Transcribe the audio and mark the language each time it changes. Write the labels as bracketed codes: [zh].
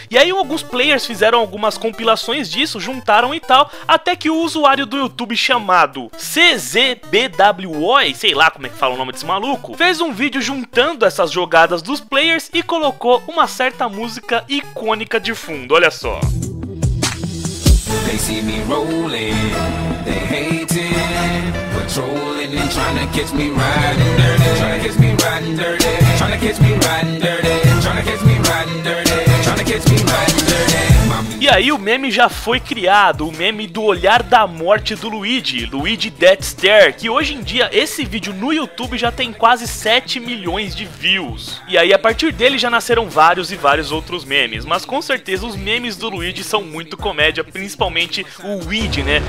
[pt] E aí alguns players fizeram algumas compilações disso, juntaram e tal, até que o usuário do YouTube chamado CZBWOY, sei lá como é que fala o nome desse maluco, fez um vídeo juntando essas jogadas dos players e colocou uma certa música icônica de fundo, olha só. [en] They see me rolling, they hating, patrolling and trying to catch me riding dirty, trying to catch me riding dirty, trying to catch me riding dirty, trying to catch me riding dirty, trying to catch me riding dirty. [pt] E aí o meme já foi criado, o meme do olhar da morte do Luigi, Luigi Death Stare, que hoje em dia esse vídeo no YouTube já tem quase 7 milhões de views. E aí a partir dele já nasceram vários e vários outros memes, mas com certeza os memes do Luigi são muito comédia, principalmente o Luigi, né?